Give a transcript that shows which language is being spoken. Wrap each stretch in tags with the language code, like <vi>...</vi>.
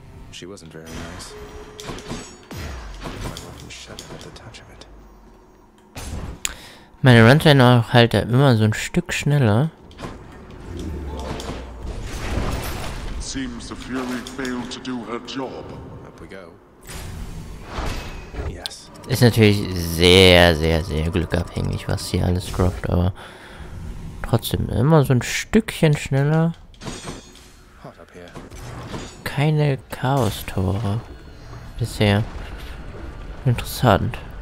<en>She wasn't very nice. My mom shuddered at the touch of it.</en> <de>Meine Runtime halt ja immer so ein Stück schneller.</de> <en>Seems the Fury failed to do her job. Up we go. Yes.</en> <de>Ist natürlich sehr, sehr, sehr glückabhängig, was sie alles droppt, aber trotzdem immer so ein Stückchen schneller. Keine Chaos-Tore bisher. Interessant.</de>